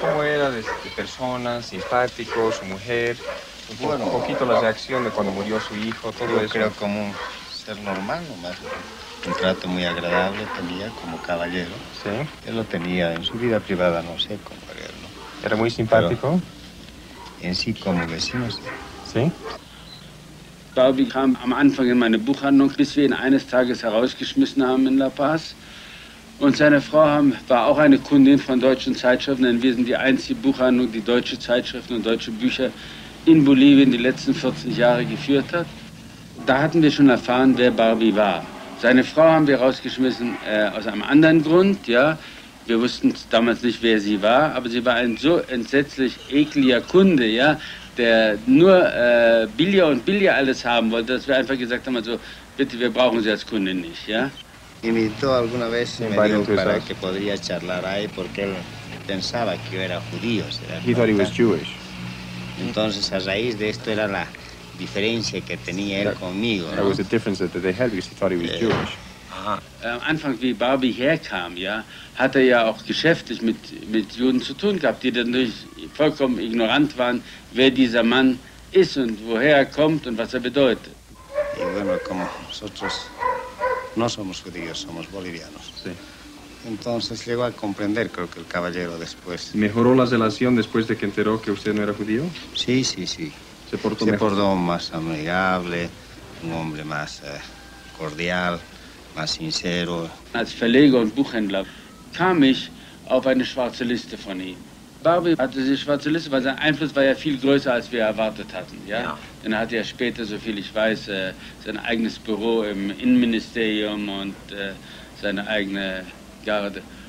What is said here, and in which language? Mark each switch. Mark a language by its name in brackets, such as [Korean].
[Spanish] ¿Cómo era de persona, simpático, su mujer? Bueno, un poquito la reacción de cuando murió su hijo, todo yo eso. Creo como un ser normal nomás. Un trato muy agradable tenía como caballero. Sí. Él lo tenía en su vida privada, no sé cómo era él, ¿no? Era muy simpático. Pero... en sí como vecinos. ¿Sí? [German] Barbie kam am Anfang in meine Buchhandlung, bis wir ihn eines Tages herausgeschmissen haben in La Paz. Und seine Frau war auch eine Kundin von deutschen Zeitschriften, denn wir sind die einzige Buchhandlung, die deutsche Zeitschriften und deutsche Bücher in Bolivien die letzten 40 Jahre geführt hat. Da hatten wir schon erfahren, wer Barbie war. Seine Frau haben wir rausgeschmissen aus einem anderen Grund, ja. Wir wussten damals nicht, wer sie war, aber sie war ein so entsetzlich ekliger Kunde, ja, der nur billiger und billiger alles haben wollte, dass wir einfach gesagt haben, also bitte, wir brauchen sie als Kunde nicht, ja. [Spanish] Invitó alguna vez y me dijo para que podría charlar ahí porque él pensaba que yo era judío. [English] He thought he was Jewish. [Spanish] Entonces, a raíz de esto era la diferencia que tenía él conmigo. [English] That was the difference that they had because he thought he was Jewish. [German] Am Anfang, wie Barbie herkam, ja, hat er ja auch geschäftlich mit Juden zu tun gehabt, die dann natürlich vollkommen ignorant waren, wer dieser Mann ist und woher er kommt und was er bedeutet. [Spanish] Y bueno, como nosotros no somos judíos, somos bolivianos. Sí. Entonces llegó a comprender, creo que el caballero después. ¿Mejoró la relación después de que enteró que usted no era judío? Sí, sí, sí. ¿Se portó mejor? Se portó más amigable, un hombre más cordial. [German] Als Verleger und Buchhändler kam ich auf eine schwarze Liste von ihm. Barbie hatte die schwarze Liste, weil sein Einfluss war ja viel größer, als wir erwartet hatten. Ja? Ja. Dann hatte er später, soviel ich weiß, sein eigenes Büro im Innenministerium und seine eigene Garde.